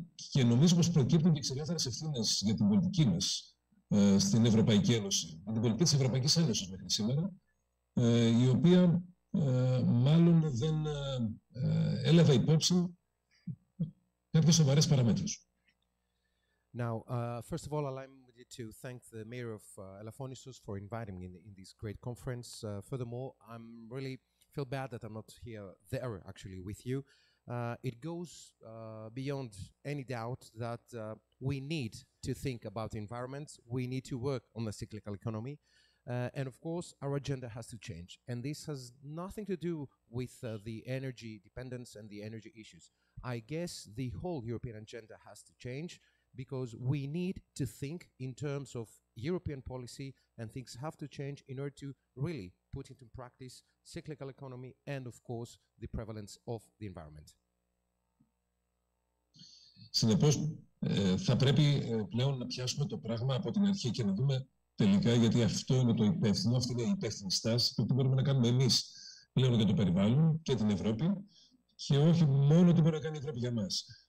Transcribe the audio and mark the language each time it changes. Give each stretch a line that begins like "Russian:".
Greek: Και νομίζω πως προκύπτουν και ξεκάθαρες ευθύνες για την πολιτική μας στην Ευρωπαϊκή Ένωση, για την πολιτική της Ευρωπαϊκής Ένωσης μέχρι σήμερα, η οποία μάλλον δεν έλαβε υπόψη κάποιες σοβαρές παραμέτρους.
English: Now, first of all, I'm to thank the mayor of Elafonisos for inviting me in this great conference. Furthermore, I'm really feel bad that I'm not here there actually with you. It goes beyond any doubt that we need to think about the environment, we need to work on the cyclical economy, and of course our agenda has to change. And this has nothing to do with the energy dependence and the energy issues. I guess the whole European agenda has to change because we need to think in terms of European policy, and things have to change in order to really put into practice cyclical economy and, of course, the prevalence of the environment.
Greek: Συνεπώς, θα πρέπει πλέον να πιάσουμε το πράγμα από την αρχή και να δούμε τελικά, γιατί αυτό είναι το υπεύθυνο, αυτή είναι η υπεύθυνη στάση που μπορούμε να κάνουμε εμείς πλέον για το περιβάλλον και την Ευρώπη και όχι μόνο τι μπορεί να κάνει η Ευρώπη για μας.